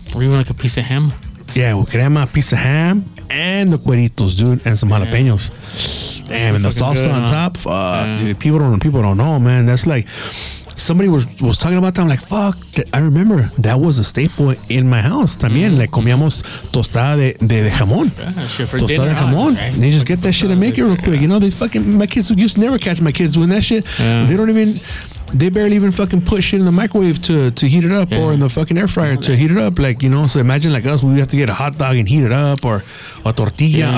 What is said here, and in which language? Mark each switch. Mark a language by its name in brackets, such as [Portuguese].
[English] Or even like a piece of ham. Yeah, with crema, a piece of ham, and the cueritos, dude, and some jalapenos. Damn, and the salsa on top. Fuck, dude. People don't know, man. That's like, somebody was talking about that. I'm like, fuck, I remember that was a staple in my house. [Spanish] También, like, comíamos tostada de jamón. Tostada de jamón. [English] And they just get that shit and make it real quick. You know, my kids used to never catch my kids doing that shit. They don't even, they barely even fucking put shit in the microwave to heat it up or in the fucking air fryer to heat it up. Like, you know, so imagine like us, we have to get a hot dog and heat it up or a tortilla.